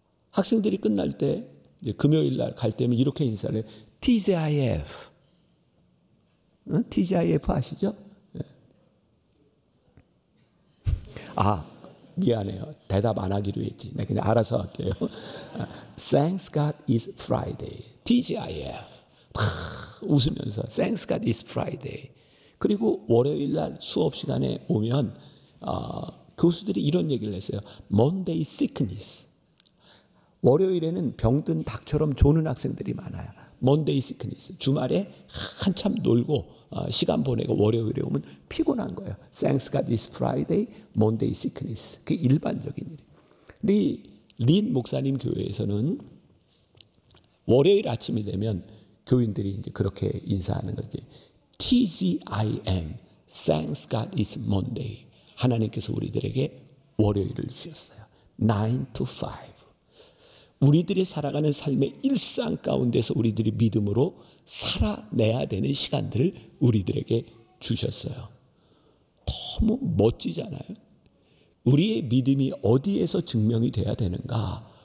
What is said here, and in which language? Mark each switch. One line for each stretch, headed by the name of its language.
Korean: 학생들이 끝날 때 이제 금요일 날 갈 때면 이렇게 인사를 해. TGIF. 응? TGIF 아시죠? 아, 미안해요. 대답 안 하기로 했지. 내가 그냥 알아서 할게요.
English: Thanks God is Friday. TGIF.
Korean: 웃으면서
English: Thanks God is Friday.
Korean: 그리고 월요일 날 수업 시간에 오면 교수들이 이런 얘기를 했어요.
English: Monday sickness.
Korean: 월요일에는 병든 닭처럼 조는 학생들이 많아요.
English: Monday sickness.
Korean: 주말에 한참 놀고 시간 보내고 월요일에 오면 피곤한 거예요.
English: Thanks God is Friday, Monday sickness.
Korean: 그게 일반적인 일이에요. 근데 린 목사님 교회에서는 월요일 아침이 되면 교인들이 이제 그렇게 인사하는 거지.
English: TGIM, Thanks God is Monday.
Korean: 하나님께서 우리들에게 월요일을 주셨어요.
English: 9-5.
Korean: 우리들이 살아가는 삶의 일상 가운데서 우리들이 믿음으로 살아내야 되는 시간들을 우리들에게 주셨어요. 너무 멋지잖아요. 우리의 믿음이 어디에서 증명이 돼야 되는가?